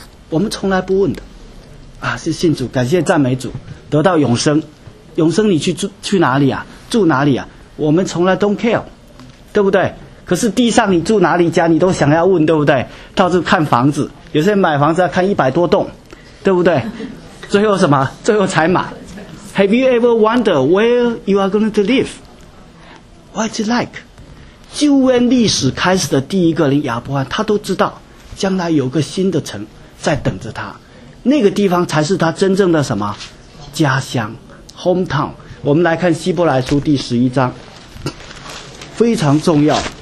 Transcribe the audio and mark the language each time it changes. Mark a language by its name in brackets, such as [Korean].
[Chinese] 我们从来不问的啊，是信主，感谢赞美主，得到永生，永生你去哪里啊，住哪里啊，我们从来 [English] don't care， [Chinese] 对不对？可是地上你住哪里家，你都想要问，对不对？到处看房子，有些人买房子要看100多栋，对不对？最后什么？最后才买。 [English] Have you ever wondered where you are going to live? What's it like? [Chinese] 旧约历史开始的第一个人亚伯拉罕，他都知道将来有个新的城在等着他，那个地方才是他真正的什么家乡 hometown。我们来看希伯来书第十一章，非常重要。